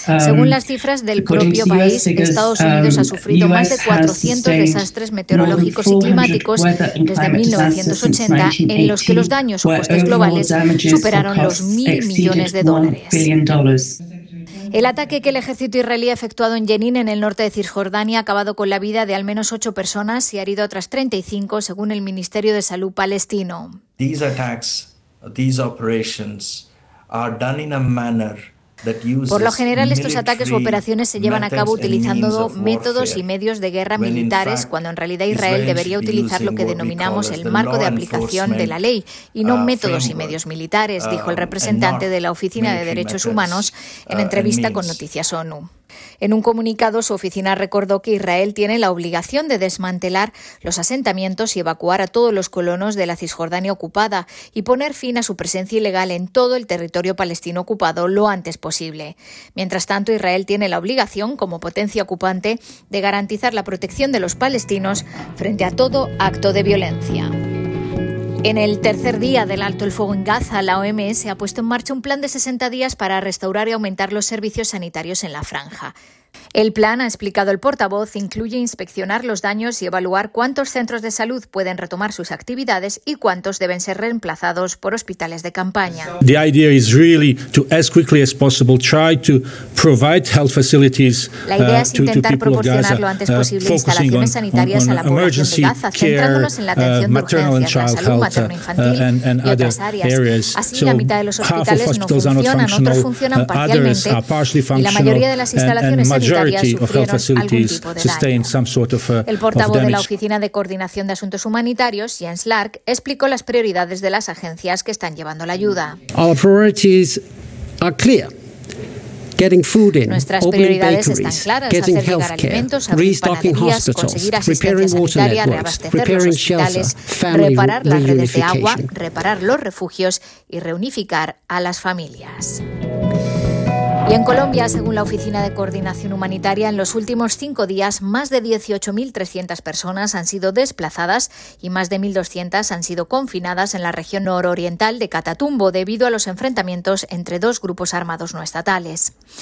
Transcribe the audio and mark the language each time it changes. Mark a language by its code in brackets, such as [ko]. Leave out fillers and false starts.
[es] Según las cifras del propio país, Estados Unidos ha sufrido más de 400 desastres meteorológicos y climáticos desde 1980, en los que los daños o costes globales superaron los 1.000 millones de dólares. El ataque que el ejército israelí ha efectuado en Jenin, en el norte de Cisjordania, ha acabado con la vida de al menos 8 personas y ha herido otras 35, según el Ministerio de Salud palestino. [en] These attacks, these operations are done in a manner. [es] Por lo general, estos ataques u operaciones se llevan a cabo utilizando métodos y medios de guerra militares, cuando en realidad Israel debería utilizar lo que denominamos el marco de aplicación de la ley y no métodos y medios militares, dijo el representante de la Oficina de Derechos Humanos en entrevista con Noticias ONU. En un comunicado, su oficina recordó que Israel tiene la obligación de desmantelar los asentamientos y evacuar a todos los colonos de la Cisjordania ocupada y poner fin a su presencia ilegal en todo el territorio palestino ocupado lo antes posible. Mientras tanto, Israel tiene la obligación, como potencia ocupante, de garantizar la protección de los palestinos frente a todo acto de violencia. En el tercer día del alto el fuego en Gaza, la OMS ha puesto en marcha un plan de 60 días para restaurar y aumentar los servicios sanitarios en la franja. El plan, ha explicado el portavoz, incluye inspeccionar los daños y evaluar cuántos centros de salud pueden retomar sus actividades y cuántos deben ser reemplazados por hospitales de campaña. [en] The idea is really to, as quickly as possible, try to provide health facilities to people of Gaza, focusing on emergency care, maternal and child health, and other areas. So half of hospitals are not functional, others are partially functional, and majority of health facilities sustain some sort of damage. [es] El portavoz de la Oficina de Coordinación de Asuntos Humanitarios, Jens Lark, explicó las prioridades de las agencias que están llevando la ayuda. [en] Our priorities are clear. Getting food in, [es] nuestras [en] opening bakeries, getting health care, restocking hospitals, repairing water networks, repairing shelters, family reunification. [es] Reparar los refugios y reunificar a las familias. Y en Colombia, según la Oficina de Coordinación Humanitaria, en los últimos 5 días, más de 18.300 personas han sido desplazadas y más de 1.200 han sido confinadas en la región nororiental de Catatumbo debido a los enfrentamientos entre 2 grupos armados no estatales.